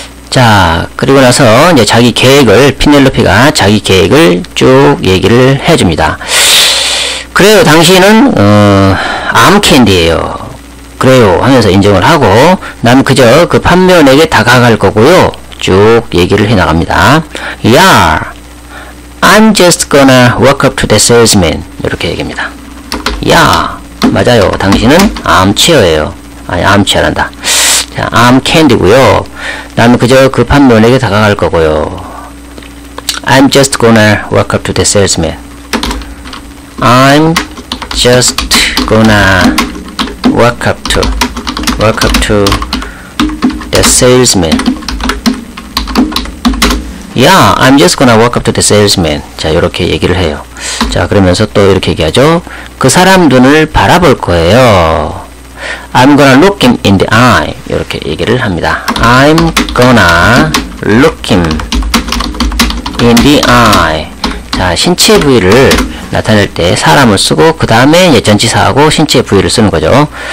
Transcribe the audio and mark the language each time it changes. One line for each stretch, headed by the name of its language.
Korean: 자, 그리고 나서 이제 자기 계획을 피넬로피가 자기 계획을 쭉 얘기를 해줍니다. 그래요. 당신은 암 캔디예요. 그래요. 하면서 인정을 하고 난 그저 그 판매원에게 다가갈 거고요. 쭉 얘기를 해나갑니다. Yeah.
English: I'm just gonna walk up to the salesman.
Korean: 이렇게 얘기합니다. Yeah, 맞아요. 당신은 armchair예요. 아니, armchair란다. 자, arm candy고요. 난 그저 그 판매원에게 다가갈 거고요.
English: I'm just gonna walk up to the salesman. I'm just gonna walk up to the salesman. Yeah, I'm just gonna walk up to the salesman.
Korean: 자, 이렇게 얘기를 해요. 자, 그러면서 또 이렇게 얘기하죠. 그 사람 눈을 바라볼 거예요.
English: I'm gonna look him in the eye.
Korean: 이렇게 얘기를 합니다.
English: I'm gonna look him in the eye.
Korean: 자, 신체 부위를 나타낼 때 사람을 쓰고 그 다음에 전치사하고 신체 부위를 쓰는 거죠.